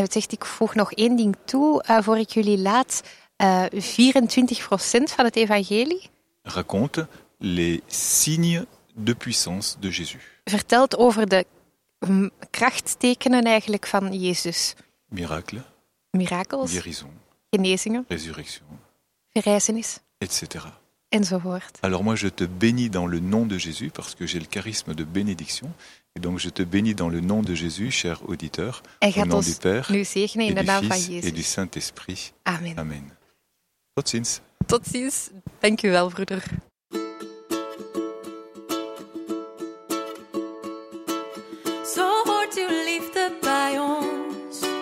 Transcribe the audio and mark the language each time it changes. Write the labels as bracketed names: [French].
[Dutch] Ik voeg nog één ding toe voor ik jullie laat. 24% van het evangelie [French] raconte les signes de puissance de Jésus. [Dutch] Vertelt over de krachttekenen eigenlijk van Jezus. [French] Miracles. [Dutch] Mirakels. [French] Guérison. [Dutch] Genezingen. [French] Résurrection. [Dutch] Verrijzenis. [French] Etc. [Dutch] Enzovoort. [French] Alors moi je te bénis dans le nom de Jésus parce que j'ai le charisme de bénédiction et donc je te bénis dans le nom de Jésus, cher auditeur, au nom du Père, [Dutch] nous zegenen in de naam van Jezus [French] et du Saint-Esprit. Amen. [Dutch] Amen. Tot ziens. Tot ziens. Dank u wel, broeder. Zo hoort uw liefde bij ons.